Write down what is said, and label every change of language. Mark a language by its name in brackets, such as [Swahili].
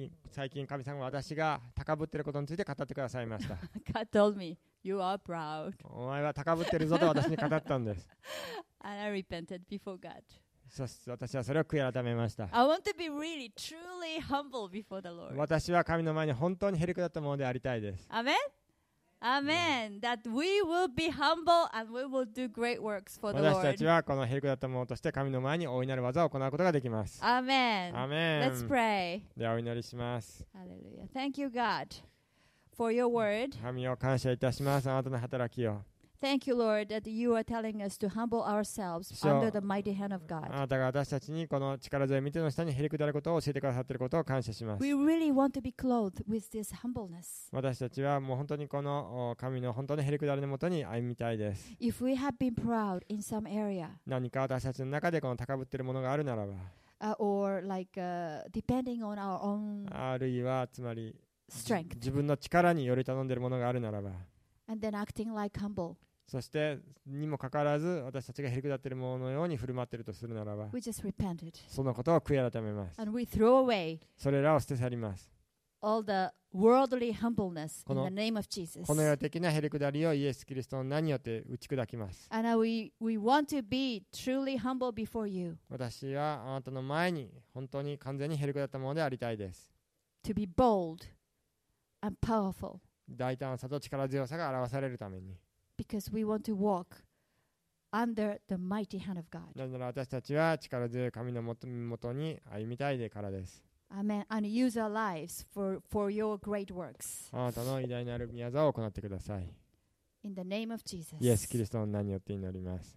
[Japanese] 最近神様が私が高ぶってることについて語ってくださいました。 [English] God told me, you are proud. [Japanese] お前は高ぶってるぞと私に語ったんです。 [English] And I repented before God. [Japanese] 私はそれを悔い改めました。 [English] I want to be really, truly humble before the Lord. [Japanese] 私は神の前に本当にへりくだったものでありたいです。 [English] Amen? Amen. That we will be humble and we will do great works for the Lord. [Japanese] 私たちはこのへりくだったものとして神の前に大いなる技を行うことができます。 [English] Amen. Amen. Let's pray. [Japanese] ではお祈りします。 [English] Hallelujah. Thank you, God, for your word. [Japanese] 神を感謝いたします。あなたの働きを。 [English] Thank you, Lord, that you are telling us to humble ourselves under the mighty hand of God. [Japanese] あなたが私たちにこの力強い御手の下にへりくだることを教えてくださっていることを感謝します。 [English] We really want to be clothed with this humbleness. [Japanese] 私たちはもう本当にこの神の本当のへりくだりのもとに歩みたいです。 [English] If we have been proud in some area, [Japanese] 何か私たちの中でこの高ぶっているものがあるならば、 [English] or like depending on our own, [Japanese] あるいはつまり [English] strength, [Japanese] 自分の力により頼んでいるものがあるならば、 [English] and then acting like humble. [Japanese] そしてにもかかわらず私たちがへりくだっているもののように振る舞っているとするならば、そのことを悔い改めます。それらを捨て去ります。この世的なへりくだりをイエス・キリストの名によって打ち砕きます。私はあなたの前に本当に完全にへりくだったものでありたいです。 [English] To be bold and powerful. [Japanese] 大胆さと力強さが表されるために、 [English] Because we want to walk under the mighty hand of God. [Japanese] なぜなら私たちは力強い神のもとに歩みたいでからです。 [English] Amen. And use our lives for your great works. [Japanese] あなたの偉大なる御業を行ってください。 [English] In the name of Jesus. [Japanese] イエス・キリストの名によって祈ります。